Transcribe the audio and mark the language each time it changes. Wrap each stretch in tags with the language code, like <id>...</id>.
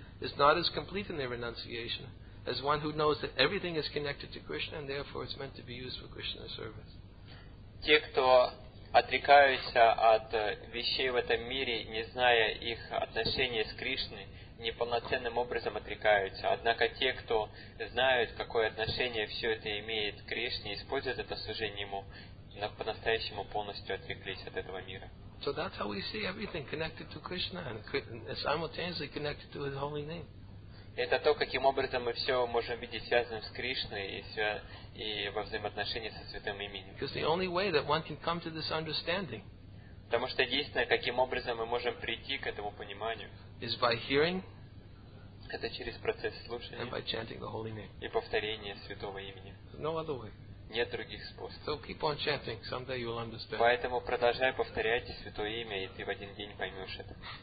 <en>is not as complete in their renunciation as one who knows that everything is connected to Krishna and therefore it's meant to be used for Krishna's service.</en> <ru>Те, кто отрекаются от вещей в этом мире, не зная их отношения с Кришной, неполноценным образом отрекаются. Однако те, кто знают, какое отношение все это имеет к Кришне, используют это служение Ему, по-настоящему полностью отреклись от этого мира.</ru> <en>So that's how we see everything connected to Krishna and simultaneously connected to His holy name.</en> <ru>Это то, каким образом мы все можем видеть связанным с Кришной и во взаимоотношении со Святым Именем.</ru> <en>Because the only way that one can come to this understanding.</en> <ru>Потому что единственное, каким образом мы можем прийти к этому пониманию.</ru> <en>Is by hearing.</en> <ru>Это через процесс слушания.</ru> <en>And by chanting the holy name.</en> <ru>И повторение Святого Имени.</ru> <en>No other way.</en> <ru>Нет других способов.</ru> <en>So keep on chanting. Someday you'll understand.</en> <ru>Поэтому продолжай повторять Святое Имя, и ты в один день поймешь это.</ru>